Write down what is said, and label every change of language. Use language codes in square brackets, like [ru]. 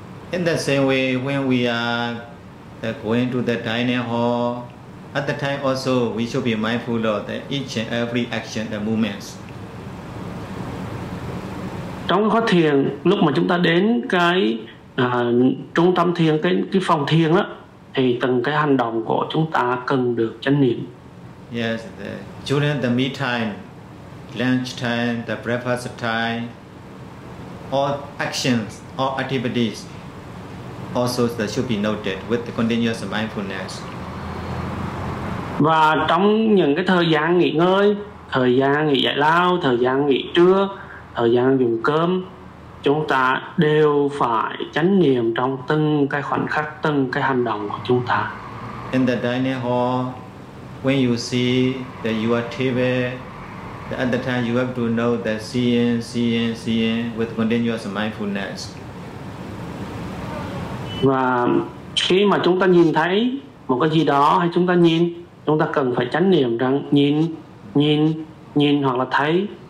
[en] In the same way, when we are going to the dining hall, at the time also we should be mindful of the each and every action and movements. [vi] Trong khóa thiền, lúc mà chúng ta đến cái trung tâm thiền, cái phòng thiền đó, thì từng cái hành động của chúng ta cần được chánh niệm. [en] Yes, the, during the meal time, lunch time, the breakfast time, all actions, all activities, also that should be noted with the continuous mindfulness. [vi] Và trong những cái thời gian nghỉ ngơi, thời gian nghỉ giải lao, thời gian nghỉ trưa, thời gian dùng cơm, chúng ta đều phải chánh niệm trong từng cái khoảnh khắc, từng cái hành động của chúng ta. [en] In the dining hall, when you see that you are table, the other time you have to know that seeing, seeing, seeing with continuous mindfulness. [vi] Và khi mà chúng ta nhìn thấy một cái gì đó hay chúng ta cần phải chánh niệm rằng nhìn hoặc là thấy.